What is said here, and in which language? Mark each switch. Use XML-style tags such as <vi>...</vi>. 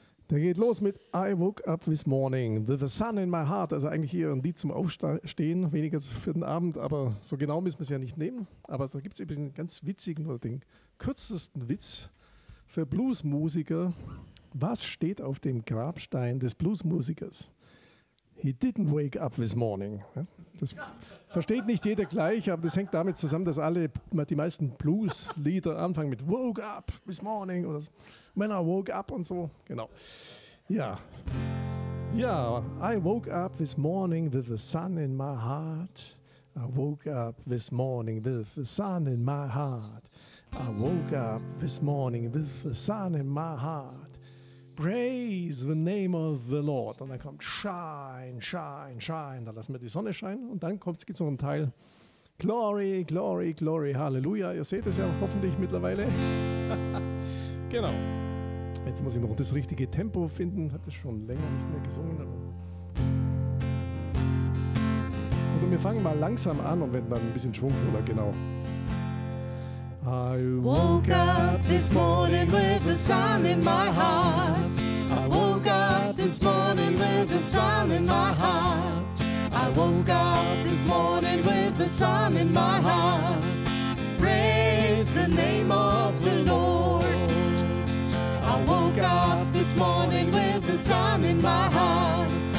<de>Der geht los mit</de> <en>I woke up this morning with the sun in my heart.</en> <de>Also eigentlich eher ein Lied zum Aufstehen, weniger für den Abend, aber so genau müssen wir es ja nicht nehmen. Aber da gibt es eben einen ganz witzigen oder den kürzesten Witz für Bluesmusiker. Was steht auf dem Grabstein des Bluesmusikers?</de> <en>He didn't wake up this morning.</en> <de>Das versteht nicht jeder gleich, aber das hängt damit zusammen, dass alle die meisten Blueslieder anfangen mit</de> <en>woke up this morning</en> <de>oder</de> <en>when I woke up</en> <de>und so. Genau. Ja.</de> <en>Ja, I woke up this morning with the sun in my heart. I woke up this morning with the sun in my heart. I woke up this morning with the sun in my heart. Praise the name of the Lord.</en> <de>Und dann kommt</de> <en>shine, shine, shine.</en> <de>Da lassen wir die Sonne scheinen. Und dann gibt es noch einen Teil.</de> <en>Glory, glory, glory, hallelujah.</en> <de>Ihr seht es ja hoffentlich mittlerweile. Genau. Jetzt muss ich noch das richtige Tempo finden. Ich habe das schon länger nicht mehr gesungen. Und wir fangen mal langsam an und werden dann ein bisschen schwungvoller. Genau.</de> <en>I woke up this morning with the sun in my heart. I woke up this morning with the sun in my heart. I woke up this morning with the sun in my heart. Praise the name of the Lord. I woke up this morning with the sun in my heart.</en>